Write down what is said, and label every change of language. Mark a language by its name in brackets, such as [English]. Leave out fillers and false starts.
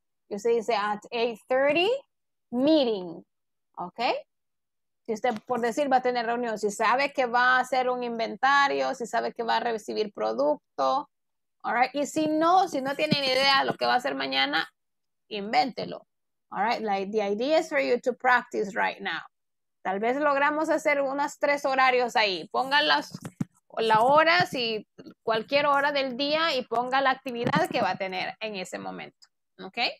[Spanish] Y usted dice, [English] at 8:30, meeting, [Spanish] ¿ok? Si usted, por decir, va a tener reunión, si sabe que va a hacer un inventario, si sabe que va a recibir producto, [English] all right? [Spanish] Y si no tiene ni idea de lo que va a hacer mañana, invéntelo, [English] all right? Like, the idea is for you to practice right now. [Spanish] Tal vez logramos hacer unos 3 horarios ahí. Pongan la hora, si cualquier hora del día, y ponga la actividad que va a tener en ese momento, ¿ok?